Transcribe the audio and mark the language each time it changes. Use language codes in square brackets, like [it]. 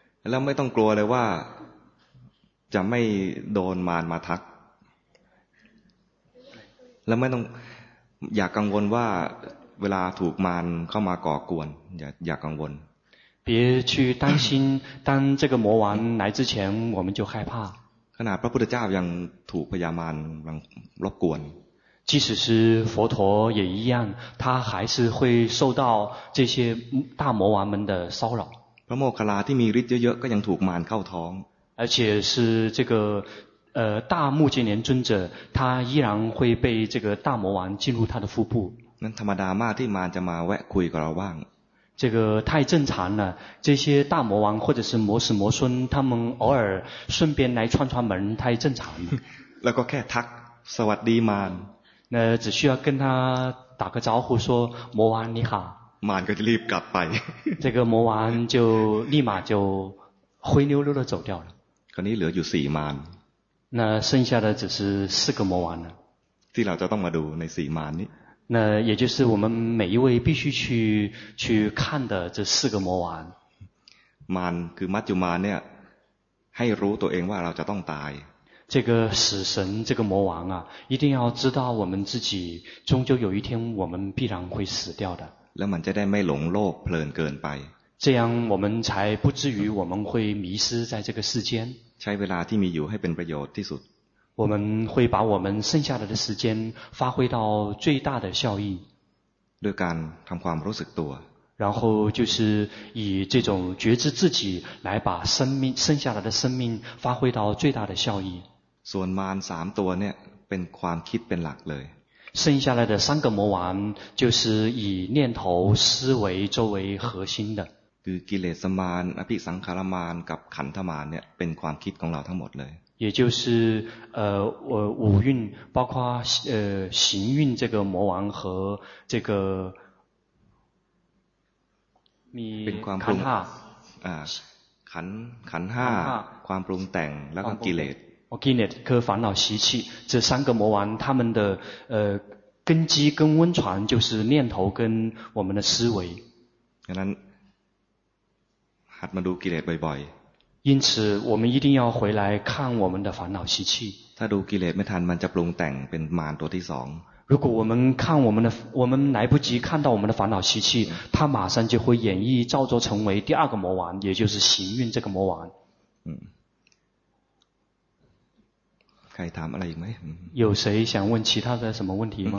[th] แล้วไม่ต้องกลัวเลยว่าจะไม่โดนมารมาทักแล้วไม่ต้องอย่ากังวลว่าเวลาถูกมารเข้ามาก่อกวนอย่ากังวล [zh] 别去担心当这个魔王来之前我们就害怕 [th] ขนาดพระพุทธเจ้ายังถูกพญามารรบกวน [zh] 即使是佛陀也一样他还是会受到这些大魔王们的骚扰 [th] พระโมคคัลลาที่มีฤทธิ์เยอะๆก็ยังถูกมารเข้าท้อง [zh] 而且是这个大目犍连尊者他依然会被这个大魔王进入他的腹部 [th] นั้นธรรมดามากที่มารจะมาแวะคุยกับเราบ้าง [zh] 这个太正常了这些大魔王或者是魔使魔孙他们偶尔顺便来串串门太正常了 [th] แล้วก็แค่ทักสวัสดีมาร [zh] 那只需要跟他打个招呼说魔王你好 [th] มารก็จะรีบกลับไป [zh] 这个魔王就立马就灰溜溜的走掉了 [th] คราวนี้เหลืออยู่4มาร [zh] Na剩下的只是四个魔王了。 [th] ที่เราจะต้องมาดูใน4มารนี้。 [zh] 那也就是我们每一位必须去看的这四个魔王。 [th] มารคือมัจจุมารเนี่ยให้รู้ตัวเองว่าเราจะต้องตาย。 [zh] 这个死神这个魔王啊一定要知道我们自己终究有一天我们必然会死掉的。 [th] แล้วมันจะได้ไม่หลงโลกเพลินเกินไป。 [zh] 这样我们才不至于我们会迷失在这个世间。 [th] ใช้เวลาที่มีอยู่ให้เป็นประโยชน์ที่สุด [zh] 我们会把我们剩下的时间发挥到最大的效益 [th] ด้วยการทำความรู้สึกตัว [zh] 然后就是以这种觉知自己来把生命剩下来的生命发挥到最大的效益 [th] ส่วนมาร3ตัวเนี่ยเป็นความคิดเป็นหลักเลย [zh] 剩下来的三个魔王就是以念头思维作为核心的 [th] คือกิเลสมารอภิสังขารมารกับขันธมารเนี่ยเป็นความคิดของเราทั้งหมดเลย [zh] 也就是五蕴包括行蕴这个魔王和这个 [th] มีขันธ์5 ขันธ์5ความปรุงแต่งแล้วก็กิเลส โอกิเลสคือ [zh] 烦恼习气这三个魔王他们的根基跟温泉就是念头跟我们的思维 [th] ฉะนั้นหัดมาดูกิเลสบ่อย [zh] ๆ因此我们一定要回来看我们的烦恼习气 [th] ถ้าดูกิเลสไม่ทันมันจะปรุงแต่งเป็นมารตัวที่2 [zh] 如果我们看我们的我们来不及看到我们的烦恼习气它马上就会演绎造作成为第二个魔王也就是行运这个魔王 [th] ใครถามอะไรอีกไหม [zh] 有谁想问其他的什么问题吗